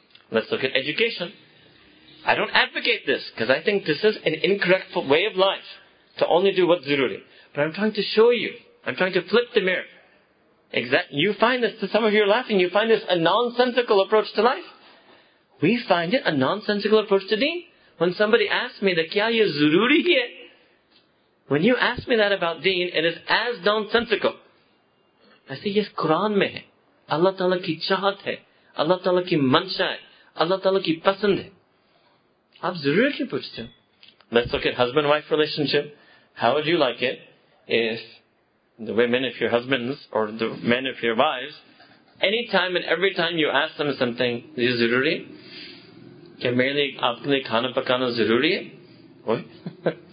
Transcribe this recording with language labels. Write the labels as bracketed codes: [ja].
[en] Let's look at education. I don't advocate this, because I think this is an incorrect way of life, to only do what's zaruri. But I'm trying to show you. I'm trying to flip the mirror. You find this, to some of you are laughing, you find this a nonsensical approach to life. We find it a nonsensical approach to deen. When somebody asks me, the [ur] kya ye zaruri hai? [en] When you ask me that about deen, it is as nonsensical [ur] ایسے یہ قرآن میں ہے, اللہ تعالیٰ کی چاہت ہے, اللہ تعالیٰ کی منشا ہے, اللہ تعالیٰ کی پسند ہے. آپ ضرورت سے پوچھتے ہو, [en] Let's look at husband wife relationship. How would you like it if the women, if your husbands or the men, if your wives, any time and every time you ask them something, is it necessary? [ur] Ke mere liye aapne khana pakana zaruri hai? Oi.